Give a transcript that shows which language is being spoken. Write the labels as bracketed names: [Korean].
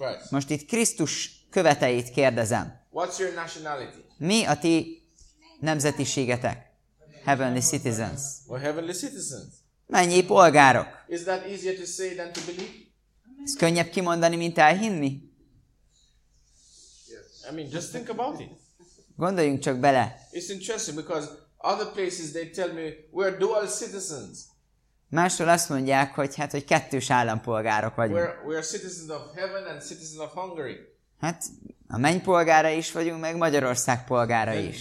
[Hungarian] Most itt Krisztus követeit kérdezem. [English] What's your nationality? [Hungarian] Mi a ti nemzetiségetek? [English] Heavenly citizens. Or heavenly citizens. [Hungarian] Mennyi polgárok? [English] Is that easier to say than to believe? [Hungarian] Ez könnyebb kimondani, mint elhinni? [English] Yes. I mean, just think about it. [Hungarian] Gondoljunk csak bele. [English] It's interesting because other places they tell me we're dual citizens. [Hungarian] Máshol azt mondják, hogy hát, hogy kettős állampolgárok vagyunk. [English] We are citizens of heaven and citizens of Hungary. [Hungarian] Hát, a menny polgára is vagyunk, meg Magyarország polgára is.